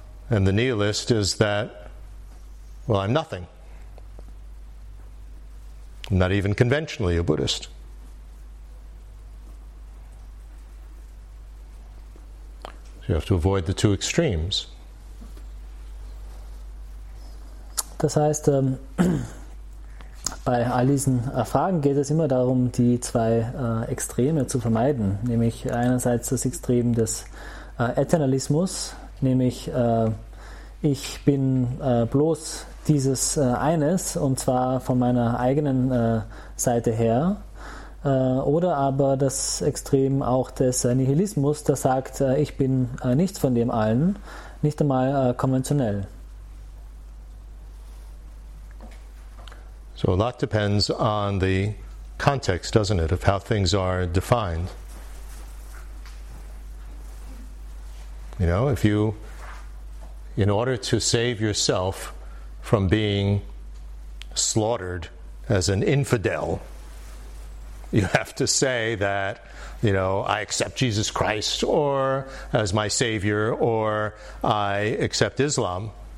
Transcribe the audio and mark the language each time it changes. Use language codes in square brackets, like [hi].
[en] And the nihilist is that, well, I'm nothing. I'm not even conventionally a Buddhist. So you have to avoid the two extremes. [de] Das heißt, bei all diesen Fragen geht es immer darum, die zwei Extreme zu vermeiden, nämlich einerseits das Extrem des Eternalismus, nämlich ich bin bloß dieses eines, und zwar von meiner eigenen Seite her, oder aber das Extrem auch des Nihilismus, das sagt, ich bin nichts von dem allen, nicht einmal konventionell. [en] So a lot depends on the context, doesn't it, of how things are defined. You know, if you, in order to save yourself from being slaughtered as an infidel, you have to say that, you know, I accept Jesus Christ or as my savior, or I accept Islam.